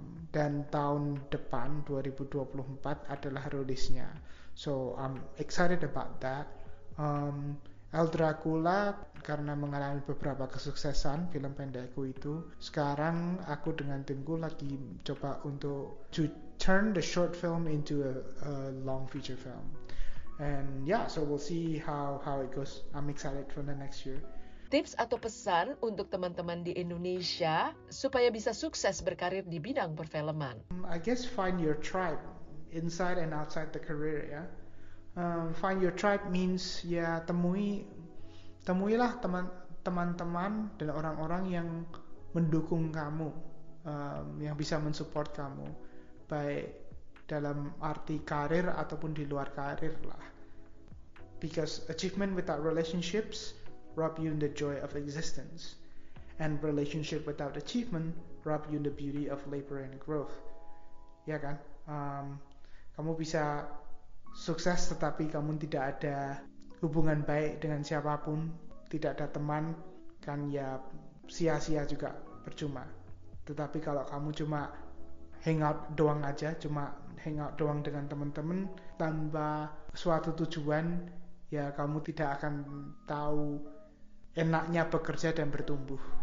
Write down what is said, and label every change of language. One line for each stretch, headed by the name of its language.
Indonesian: Dan tahun depan 2024 adalah rilisnya.
English: So I'm excited about that.
Indonesian: El Dracula karena mengalami beberapa kesuksesan film pendekku itu, sekarang aku dengan timku lagi coba untuk
English: to turn the short film into a long feature film. And yeah, so we'll see how it goes. I'm excited for the next year.
Indonesian: Tips atau pesan untuk teman-teman di Indonesia supaya bisa sukses berkarir di bidang perfilman?
English: I guess find your tribe inside and outside the career, ya. Yeah? Find your tribe means
Indonesian: ya temuilah teman-teman dan orang-orang yang mendukung kamu, yang bisa mensupport kamu baik dalam arti karir ataupun di luar karir lah.
English: Because achievement without relationships rob you in the joy of existence, and relationship without achievement rob you in the beauty of labor and growth.
Indonesian: Ya kan? Kamu bisa sukses tetapi kamu tidak ada hubungan baik dengan siapapun, tidak ada teman, kan ya sia-sia juga, percuma. Tetapi kalau kamu cuma hangout doang aja, cuma hangout doang dengan teman-teman tanpa suatu tujuan, ya kamu tidak akan tahu enaknya bekerja dan bertumbuh.